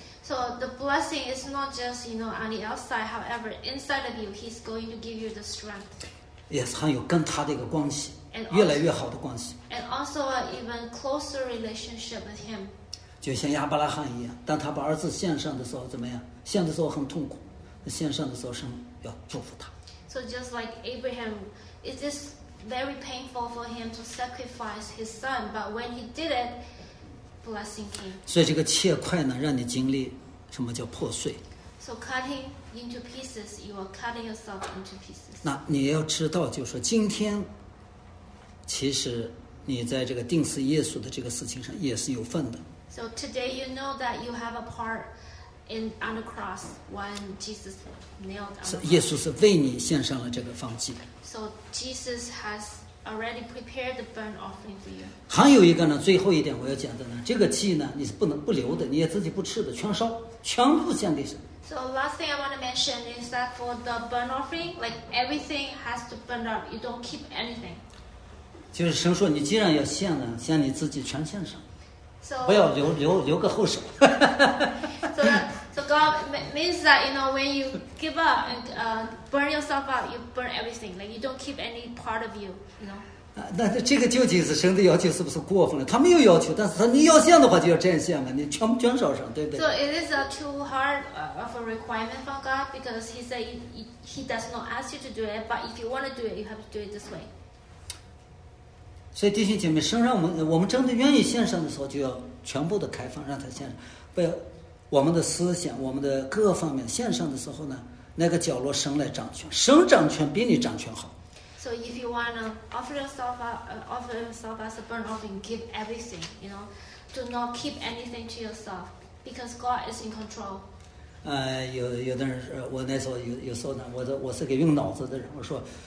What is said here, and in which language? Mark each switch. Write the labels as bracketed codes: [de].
[en] So the blessing is not just, you know, on the outside. However, inside of you, he's going to give you the strength. [zh] Yes, 还有跟他的一个关系， [en] also, [zh] 越来越好的关系。 [en] And also an even closer relationship with him. [zh] 就像亚伯拉罕一样，当他把儿子献上的时候怎么样？献的时候很痛苦。献上的时候，神要祝福他。 [en] So just like Abraham, it is very painful for him to sacrifice his son, but when he did it, blessing came. [zh] 所以这个切块呢，让你经历什么叫破碎。 [en] So cutting into pieces, you are cutting yourself into pieces. [zh] 那你要知道，就是说今天，其实你在这个定死耶稣的这个事情上也是有份的。 [en] So today you know that you have a part. In, on the cross, when Jesus nailed on the cross. [zh] 耶稣是为你献上了这个燔祭。 [en] So Jesus has already prepared the burnt offering for you. [zh] 还有一个呢，最后一点我要讲的呢，这个祭呢，你是不能不留的，你也自己不吃的，全烧，全部献给神。 [en] So last thing I want to mention is that for the burnt offering, like everything has to burn up, you don't keep anything. [zh] 就是神说，你既然要献了，献你自己全献上。 [en] So, [zh] 不要留个后手。 [en] So God means that, you know, when you give up and burn yourself out, you burn everything. Like you don't keep any part of you, you know. [zh] 那这个究竟是神的要求是不是过分了？他没有要求，但是他你要献的话就要这样献嘛，你全烧上，对不对 [en] ？So it is a too hard of a requirement from God because He said He does not ask you to do it, but if you want to do it, you have to do it this way. [zh] 所以弟兄姐妹，神让我们真的愿意献上的时候，就要全部的开放，让他献上。不要我们的思想，我们的各方面献上的时候呢，那个角落神来掌权，神掌权比你掌权好。 [en] So if you wanna offer yourself as a burnt offering, give everything, you know, do not keep anything to yourself, because God is in control. [zh] 有的人，我那时候有时候呢，我是个用脑子的人，我说。